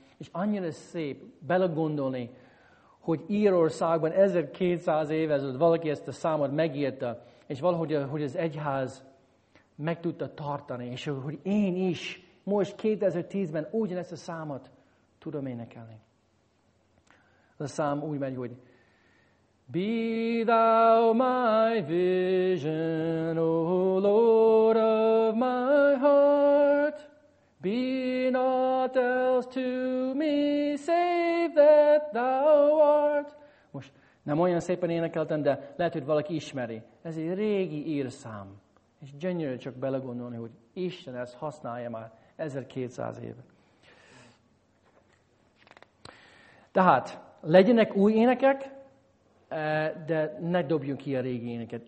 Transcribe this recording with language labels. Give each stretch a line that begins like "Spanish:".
Hungarian: És annyira szép belegondolni, hogy Írországban 1200 éve valaki ezt a számot megírta, és valahogy hogy az egyház meg tudta tartani, és hogy én is most 2010-ben ugyanezt a számot tudom énekelni. Az a szám úgy megy, hogy
English: Be thou my vision, O Lord of my heart. Be not else to me, save that thou art.
Hungarian: Most nem olyan szépen énekeltem, de lehet, hogy valaki ismeri. Ez egy régi írszám. És gyönyörű csak belegondolni, hogy Isten ezt használja már 1200 éve. Tehát, legyenek új énekek, de ne dobjunk ki a régi éneket.